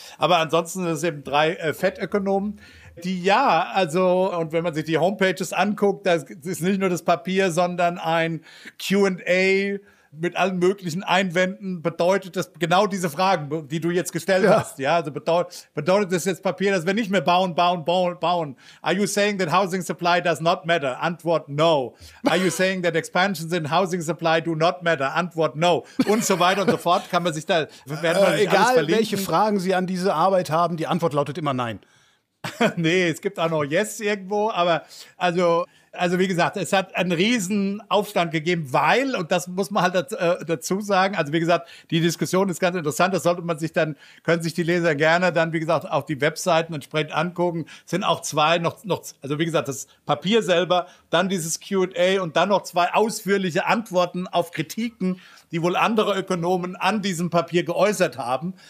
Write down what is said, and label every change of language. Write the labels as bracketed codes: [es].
[de] Aber ansonsten sind es eben drei Fed-Ökonomen. Die ja, also, und wenn man sich die Homepages anguckt, das ist nicht nur das Papier, sondern ein Q&A mit allen möglichen Einwänden bedeutet das genau diese Fragen, die du jetzt gestellt hast. Ja, also bedeutet das jetzt Papier, dass wir nicht mehr bauen, bauen, bauen, bauen? [en] Are you saying that housing supply does not matter? [de] Antwort [en] no. Are you saying that expansions in housing supply do not matter? [de] Antwort no. Und so weiter und so fort. Kann man sich da, werden wir nicht alles verlinken. Egal, welche Fragen Sie an diese Arbeit haben, die Antwort lautet immer nein. Nee, es gibt auch noch yes irgendwo, aber also wie gesagt, es hat einen riesen Aufstand gegeben, weil, und das muss man halt dazu sagen, also wie gesagt, die Diskussion ist ganz interessant, das sollte man sich dann, können sich die Leser gerne dann, wie gesagt, auch die Webseiten entsprechend angucken, sind auch zwei noch, also wie gesagt, das Papier selber, dann dieses Q&A und dann noch zwei ausführliche Antworten auf Kritiken, die wohl andere Ökonomen an diesem Papier geäußert haben.